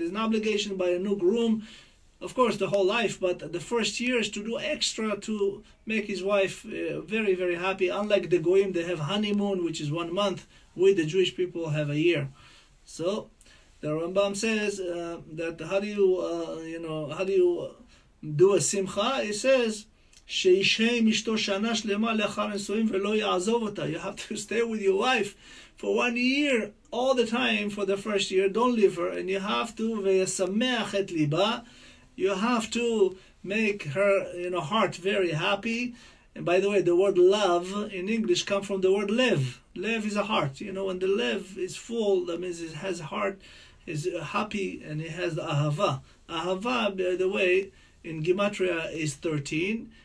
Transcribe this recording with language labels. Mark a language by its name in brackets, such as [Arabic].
[English] It's an obligation by a new groom, of course, the whole life, but the first year is to do extra to make his wife very, very happy. Unlike the goyim, they have honeymoon, which is 1 month. We, the Jewish people, have a year. So, the Rambam says that how do you do a simcha? He says, [Hebrew] שישהה עם אשתו שנה שלמה לאחר נישואים ולא יעזוב אותה. [English] You have to stay with your wife for 1 year, all the time for the first year. Don't leave her. And you have to, [Hebrew] וישמח את ליבה. [English] You have to make her, you know, heart very happy. And by the way, the word love in English comes from the word lev. Lev is a heart. You know, when the lev is full, that means it has heart, is happy, and it has ahava. Ahava, by the way, in Gematria is 13.